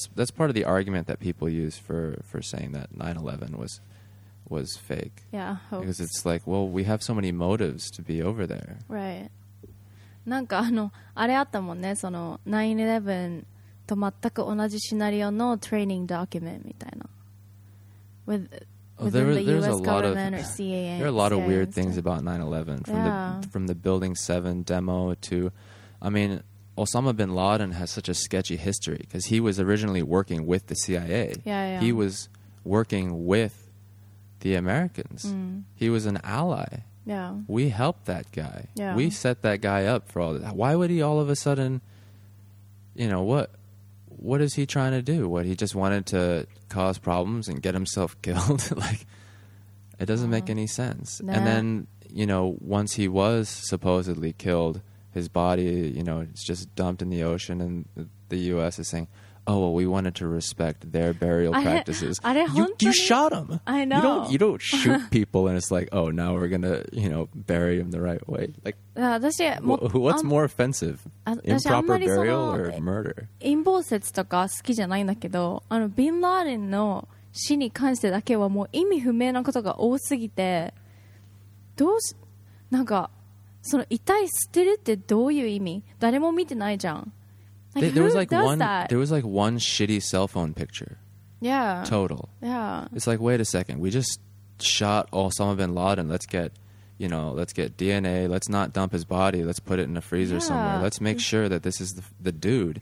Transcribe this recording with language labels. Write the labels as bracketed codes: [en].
[en] That's part of the argument that people use for saying that 9/11 was fake. Yeah, hoax. Because it's like, well, we have so many motives to be over there. Right. [ja] なんかあのあれあったもんね、その 9/11 と全く同じシナリオのトレーニングドキュメントみたいな。 [en] With Oh, there, the there's US a lot of CAA there are a lot of weird things about 9/11 from the Building 7 demo to, I mean, Osama bin Laden has such a sketchy history because he was originally working with the CIA. Yeah, yeah. He was working with the Americans. Mm. He was an ally. Yeah. We helped that guy. Yeah. We set that guy up for all that. Why would he all of a sudden, you know, what is he trying to do? What, he just wanted to cause problems and get himself killed? Like, it doesn't make any sense. Nah. And then, you know, once he was supposedly killed, his body, you know, it's just dumped in the ocean, and the U.S. is saying, oh, well, we wanted to respect their burial practices. You shot him. I know. You don't shoot people, and it's like, oh, now we're going to, you know, bury him the right way. Like, what's more offensive? Improper burial or murder? [ja] 陰謀説とか好きじゃないんだけど、あの、ビン・ラーデンの死に関してだけはもう意味不明なことが多すぎて、どうし、なんか、その遺体捨てるってどういう意味？誰も見てないじゃん。 [en] Like, there was like one. That? There was like one shitty cell phone picture. Yeah. Total. Yeah. It's like, wait a second. We just shot Osama bin Laden. Let's get, you know, let's get DNA. Let's not dump his body. Let's put it in a freezer somewhere. Let's make sure that this is the dude.